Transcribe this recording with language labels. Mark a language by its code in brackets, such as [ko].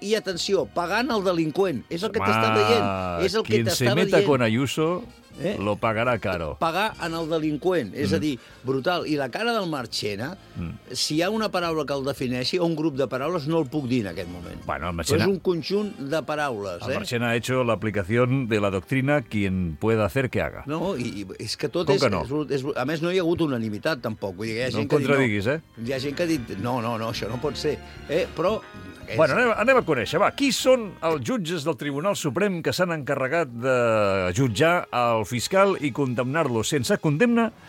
[ca] I atenció, pagant el delinqüent. És el que t'està dient. És el que t'està dient. [es] Quien se meta con Ayuso lo pagarà caro. [ca] Pagar en el delinqüent, és a dir, brutal. I la cara del Marchena, si hi ha una paraula que el defineixi, o un grup de paraules, no el puc dir en aquest moment. Bueno, Marchena... És un conjunt de paraules. [es] El Marchena ha hecho la aplicación de la doctrina quien pueda hacer que haga. [ca] No, i és que tot és... A més, no hi ha hagut unanimitat, tampoc. Vull dir, no em contradiguis, Hi ha gent que ha dit, no, això no pot ser. Però... Bueno, anem a conèixer. Va, qui són els jutges del Tribunal Suprem que s'han encarregat de jutjar el fiscal i condemnar-lo sense condemna?